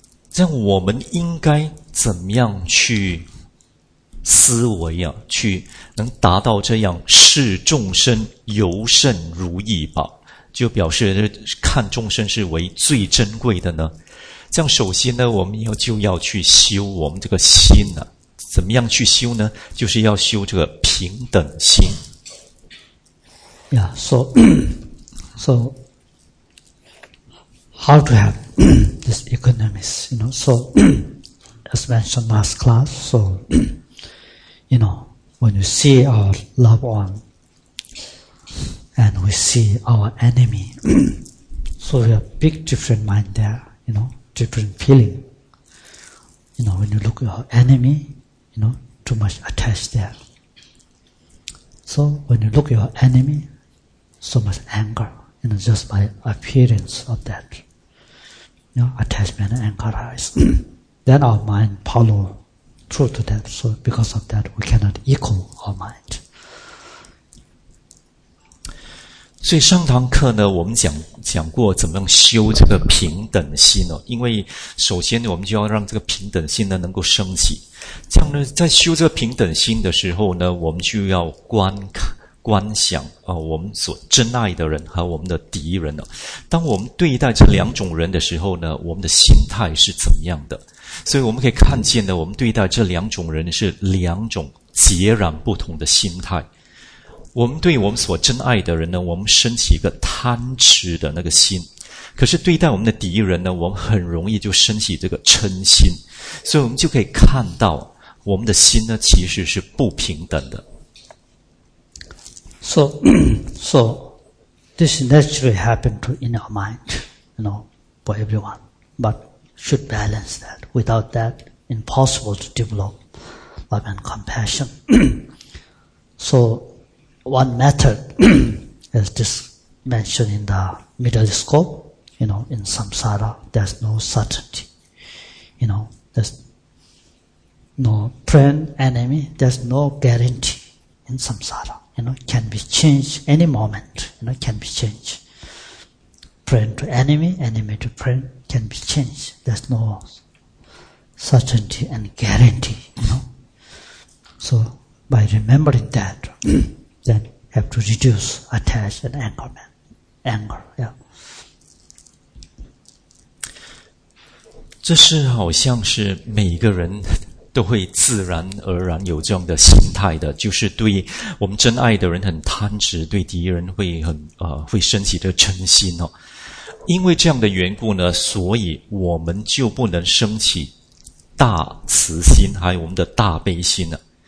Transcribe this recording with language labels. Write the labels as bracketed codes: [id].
[zh] 这样我们应该怎么样去思维啊，去能达到这样视众生尤甚如意宝，就表示看众生是为最珍贵的呢？这样首先呢，我们就要去修我们这个心啊，怎么样去修呢？就是要修这个平等心。 [en] Yeah, so how to have this equanimous, you know, so as mentioned last class, so you know, when you see our loved one and we see our enemy, so we have big different mind there, you know, different feeling. You know, when you look at your enemy, you know, too much attached there. So when you look at your enemy, so much anger, you know, just by appearance of that. You know, attachment and anger arise. Then our mind follow through to that. So because of that, we cannot equal our mind. [zh] 所以上堂课呢，我们讲过怎么样修这个平等心哦。因为首先我们就要让这个平等心呢能够升起。这样呢，在修这个平等心的时候呢，我们就要观想啊，我们所真爱的人和我们的敌人哦。当我们对待这两种人的时候呢，我们的心态是怎么样的？所以我们可以看见呢，我们对待这两种人是两种截然不同的心态。我们对我们所真爱的人呢，我们升起一个贪痴的那个心，可是对待我们的敌人呢，我们很容易就升起这个嗔心，所以我们就可以看到我们的心呢其实是不平等的。 [en] So this naturally happened to in our mind, you know, for everyone, but should balance that. Without that, impossible to develop love and compassion. So one method, as just mentioned in the middle scope, you know, in samsara, there's no certainty. You know, there's no friend, enemy, there's no guarantee in samsara. You know, can be changed any moment, you know, can be changed. Friend to enemy, enemy to friend, can be changed. There's no certainty and guarantee, you know. So, by remembering that, then have to reduce attach and anger, man. Anger, yeah. [zh] 这是好像是每个人都会自然而然有这样的心态的，就是对我们真爱的人很贪执，对敌人会升起的嗔心哦。因为这样的缘故呢，所以我们就不能升起大慈心，还有我们的大悲心了。